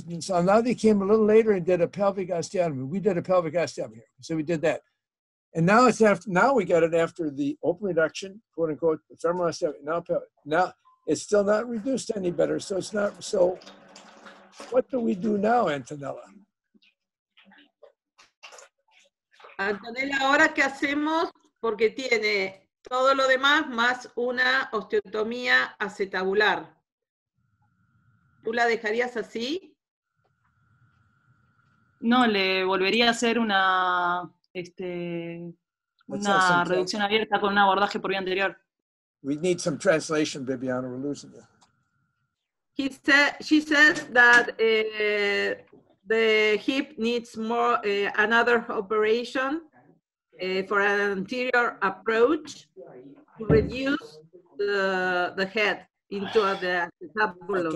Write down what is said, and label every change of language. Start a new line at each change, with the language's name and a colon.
English: So now they came a little later and did a pelvic osteotomy. We did a pelvic osteotomy here. So we did that. And now it's after, now we got it after the open reduction, quote unquote, the femoral osteotomy. Now pelvic. Now it's still not reduced any better. So it's not, so what do we do now, Antonella?
Spanish: Antonella, ahora qué hacemos, porque tiene todo lo demás más una osteotomía acetabular. ¿Tú la dejarías así? No, le volvería a hacer una, una reducción abierta con un abordaje por vía anterior.
English: We need some translation, Bibiana, we're losing you. She says that the hip needs more another operation. For an anterior approach to reduce the head into the acetabulum.